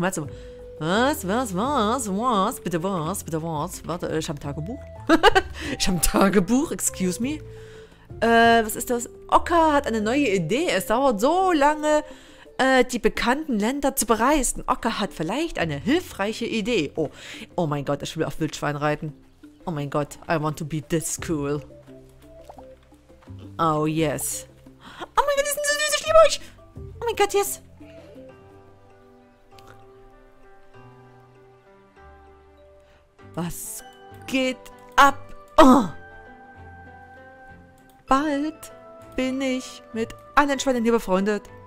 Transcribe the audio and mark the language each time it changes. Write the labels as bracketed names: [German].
[German] Was, was, was, was, was? Bitte was, bitte was? Warte, ich habe ein Tagebuch. Ich habe ein Tagebuch, [English] excuse me. [German] Was ist das? Ocker hat eine neue Idee. Es dauert so lange, die bekannten Länder zu bereisen. Ocker hat vielleicht eine hilfreiche Idee. Oh, oh mein Gott, ich will auf Wildschwein reiten. Oh mein Gott, [English] I want to be this cool. Oh yes. [German] Oh mein Gott, die sind so süß, ich liebe euch! Oh mein Gott, [English] yes! [German] Was geht ab? Oh. Bald bin ich mit allen Schweinen hier befreundet.